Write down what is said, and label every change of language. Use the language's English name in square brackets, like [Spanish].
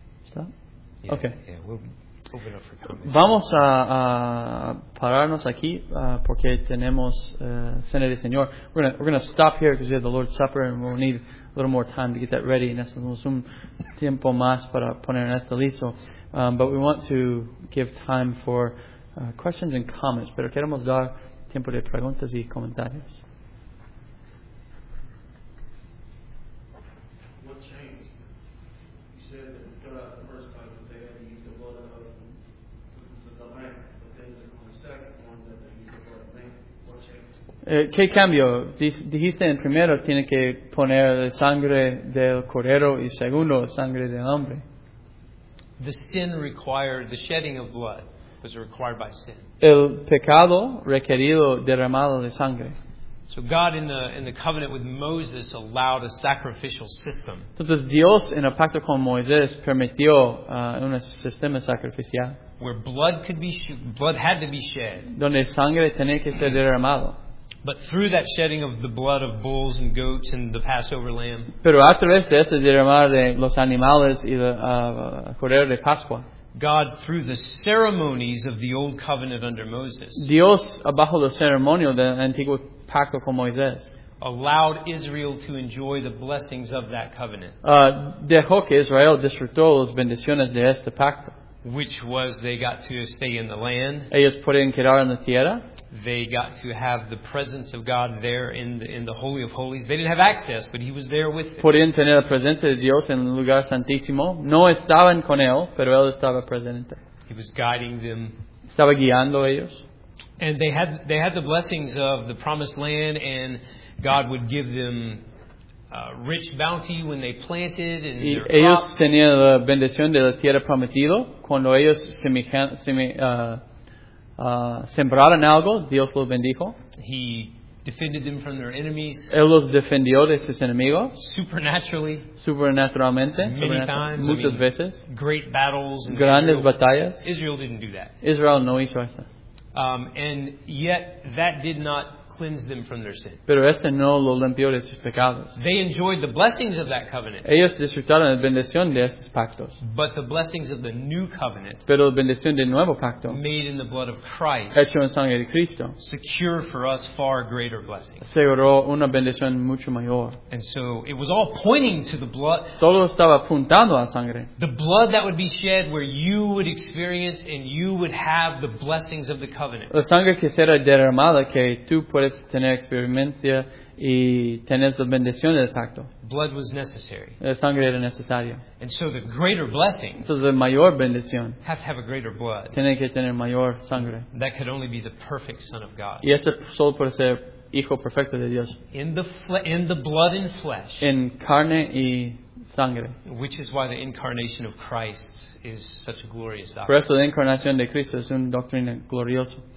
[English] stop. Yeah, okay. Yeah, we'll open up for comments. [Spanish] Vamos a pararnos aquí porque tenemos cena del Señor. [English] We're gonna stop here because we have the Lord's Supper and we'll need a little more time to get that ready. [Spanish] Necesitamos un tiempo más para poner esto listo. [English] But we want to give time for questions and comments, [Spanish] pero queremos dar tiempo de preguntas y comentarios. [English] What changed? You said that it got out the first time that they had to use the blood of the lamb, but then on the second one that they used the blood of the lamb. What changed? [Spanish] ¿Qué cambio? Dijiste en primero tiene que poner sangre del cordero y segundo sangre del hombre. [English] The sin required the shedding of blood. Was required by sin. [Spanish] El pecado requerido derramado de sangre. [English] So God in the covenant with Moses allowed a sacrificial system. [Spanish] Entonces Dios en el pacto con Moisés permitió un sistema sacrificial. [English] Where blood had to be shed. [Spanish] Donde sangre tenía que ser derramado. [English] But through that shedding of the blood of bulls and goats and the Passover lamb. [Spanish] Pero a través de este derramar de los animales y el cordero de Pascua. [English] God through the ceremonies of the old covenant under Moses. [Spanish] Dios bajo la ceremonia del antiguo pacto con Moisés. [English] Allowed Israel to enjoy the blessings of that covenant. [Spanish] Dejó que Israel disfrutó las bendiciones de este pacto. [English] Which was they got to stay in the land. [Spanish] Ellos pueden quedar en la tierra. [English] They got to have the presence of God there in the Holy of Holies. They didn't have access, but he was there with them. [Spanish] Podían tener la presencia de Dios en el lugar santísimo. No estaban con él, pero él estaba presente. [English] He was guiding them. [Spanish] Estaba guiando ellos. [English] And they had the blessings of the promised land, and God would give them rich bounty when they planted. And [Spanish] y ellos tenían la bendición de la tierra prometida cuando ellos sembraron algo, Dios los bendijo. [English] He defended them from their enemies. [Spanish] Él los defendió de sus enemigos. [English] Supernaturally. [Spanish] Supernaturalmente. [English] Many times. [Spanish] Muchas veces. [English] Great battles. [Spanish] Grandes batallas. [English] Israel didn't do that. [Spanish] Israel no hizo eso. [English] And yet, that did not cleanse them from their sin. [Spanish] Pero este no lo limpió de sus pecados. [English] They enjoyed the blessings of that covenant. [Spanish] Ellos disfrutaron la bendición de estos pactos. [English] But the blessings of the new covenant. [Spanish] Pero la bendición del nuevo pacto. [English] Made in the blood of Christ. [Spanish] Hecho en sangre de Cristo. [English] Secure for us far greater blessings. [Spanish] Aseguró una bendición mucho mayor. [English] And so it was all pointing to the blood. [Spanish] Todo estaba apuntando a sangre. [English] The blood that would be shed where you would experience and you would have the blessings of the covenant. [Spanish] La sangre que será derramada que tú puedes tener experiencia y tener las bendiciones del pacto. [English] Blood was necessary. [Spanish] La sangre era necesaria. [English] And so the greater blessing. [Spanish] Entonces la mayor bendición. [English] Have to have a greater blood. [Spanish] Tiene que tener mayor sangre. [English] That could only be the perfect Son of God. [Spanish] Y eso solo puede ser Hijo perfecto de Dios. [English] In the blood and flesh. [Spanish] En carne y sangre. [English] Which is why the incarnation of Christ is such a glorious doctrine. [Spanish] Por eso la encarnación de Cristo es una doctrina gloriosa.